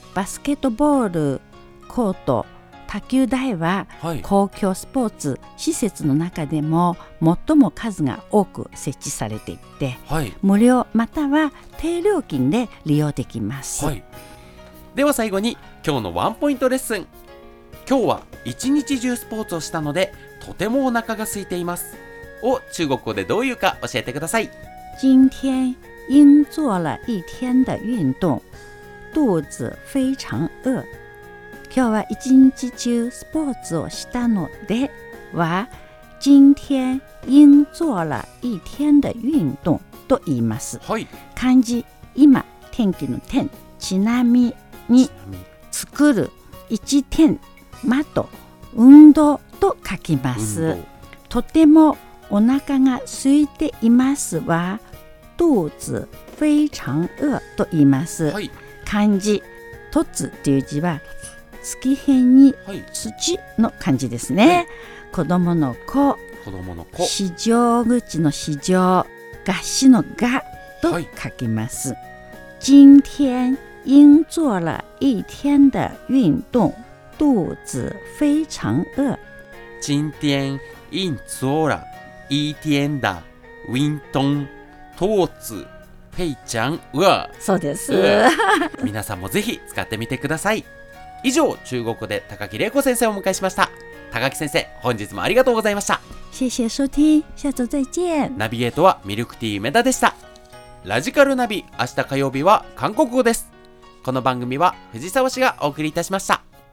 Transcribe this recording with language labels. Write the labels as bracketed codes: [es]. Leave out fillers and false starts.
[ja] バスケットボールコート、卓球台は公共スポーツ施設の中でも最も数が多く設置されていて、はい、無料または低料金で利用できます。はい、では最後に今日のワンポイントレッスン。今日は一日中スポーツをしたのでとてもお腹が空いていますを中国語でどういうか教えてください。 [zh] 今天因做了一天的运动，肚子非常饿。 [ja] 今日は一日中スポーツをしたのでは、 [zh] 今天因做了一天的运动 [ja] と言います。はい、漢字今、天気の天、ちなみに作る、一天、マト、運動と書きます。とてもお腹が空いていますは、 [zh] 肚子非常饿 [ja] と言います。はい、漢字とつという字は月辺に土の漢字ですね。はい、子供の子、市場口の市場、合詞の合と書きます。 [zh] はい、今天因做了一天的运动，肚子非常饿。今天因做了一天的运动，肚子非常饿。 [ja] そうです。皆さんもぜひ使ってみてください。以上、中国語で高木玲子先生をお迎えしました。高木先生、本日もありがとうございました。 [zh] 谢谢收听，下周再见。 [ja] ナビゲートはミルクティー梅田でした。ラジカルナビ、明日火曜日は韓国語です。この番組は藤沢氏がお送りいたしました。